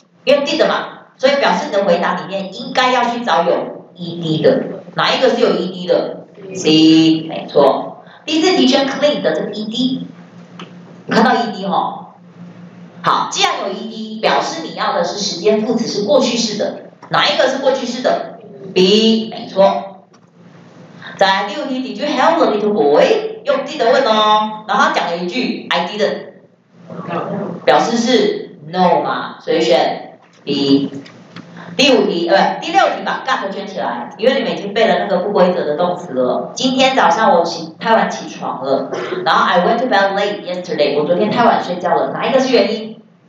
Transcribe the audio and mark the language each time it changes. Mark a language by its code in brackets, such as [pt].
[zh] 因为 did 嘛，所以表示你的回答里面应该要去找有 ed 的，哪一个是有 ed 的 ？C， 没错。第四题选 clean 的这个 ed， 看到 ed 哈？好，既然有 ed， 表示你要的是时间副词是过去式的，哪一个是过去式的 ？B， 没错。再来第五题 [en] ，Did you help the little boy？ [zh] 用 did 问哦，然后他讲了一句 [en] I didn't， [zh] 表示是。 No 嘛，所以选 B。第五题，第六题把 got 圈起来，因为你们已经背了那个不规则的动词了。今天早上我太晚起床了，然后 [en] I went to bed late yesterday， [zh] 我昨天太晚睡觉了，哪一个是原因？